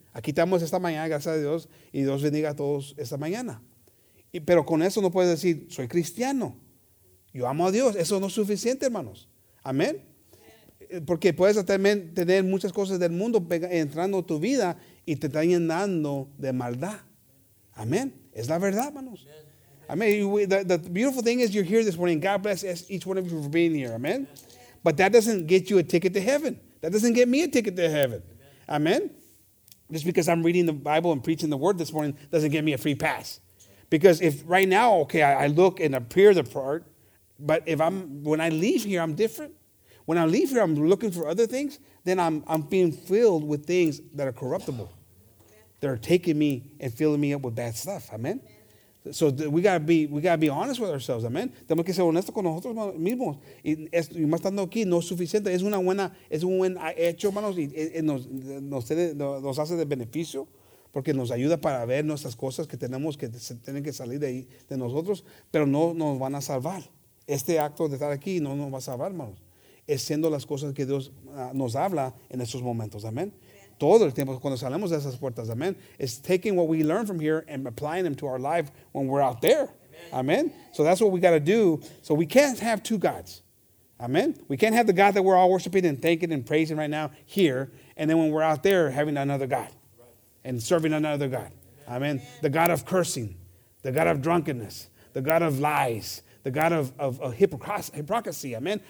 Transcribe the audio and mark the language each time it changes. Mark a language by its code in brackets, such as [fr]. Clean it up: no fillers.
[es] Aquí estamos esta mañana, gracias a Dios. Y Dios bendiga a todos esta mañana. Pero con eso no puedes decir, soy cristiano. Yo amo a Dios. Eso no es suficiente, hermanos. Amén. porque puedes también tener muchas cosas del mundo entrando a tu vida y te están llenando de maldad. Amén. Es la verdad, hermanos. Amén. [en] The beautiful thing is you're here this morning. God bless each one of you for being here. Amén. But that doesn't get you a ticket to heaven. That doesn't get me a ticket to heaven. Amén. Just because I'm reading the Bible and preaching the word this morning doesn't get me a free pass. Because if right now, okay, I look and appear the part, but if I'm when I leave here, I'm different. When I leave here, I'm looking for other things. Then I'm being filled with things that are corruptible, that are taking me and filling me up with bad stuff. Amen. So we gotta be honest with ourselves. Amen. [es] Tenemos que ser honestos con nosotros mismos. Y más estando aquí no es suficiente. Es una buena es un buen hecho, hermanos, y nos hace de beneficio. Porque nos ayuda para ver nuestras cosas que tenemos que se tienen que salir de ahí de nosotros, pero no nos van a salvar. Este acto de estar aquí no nos va a salvar, hermanos. Es siendo las cosas que Dios nos habla en esos momentos, amén. Todo el tiempo cuando salimos de esas puertas, amén. [en] Es taking what we learn from here and applying them to our life when we're out there, amén. So that's what we got to do. So we can't have two gods, amén. We can't have the God that we're all worshiping and thanking and praising right now here, and then when we're out there having another God. And serving another God. Amen. Amen. The God of cursing, the God of drunkenness, the God of lies, the God of hypocrisy. Amen.